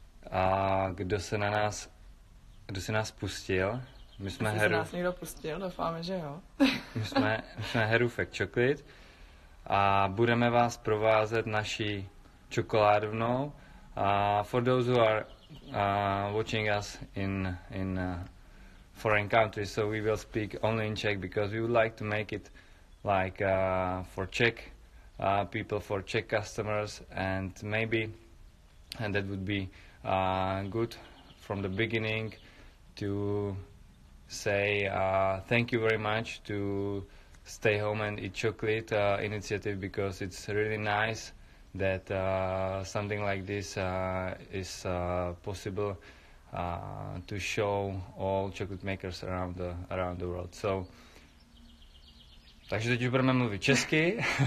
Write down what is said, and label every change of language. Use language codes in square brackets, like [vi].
[cs] A kdo se na nás, kdo si nás pustil? My jsme Heru. Se nás někdo pustil, doufáme, že jo. My jsme Heru Fact Chocolate. A budeme vás provázet naší čokoládovnou. [en] For those who are watching us in foreign countries, so we will speak only in Czech because we would like to make it like for Czech people, for Czech customers, and maybe, and that would be good from the beginning to say thank you very much to Stay Home and Eat Chocolate initiative, because it's really nice that something like this is possible to show all chocolate makers around the world. [cs] So, takže teď už budeme mluvit česky.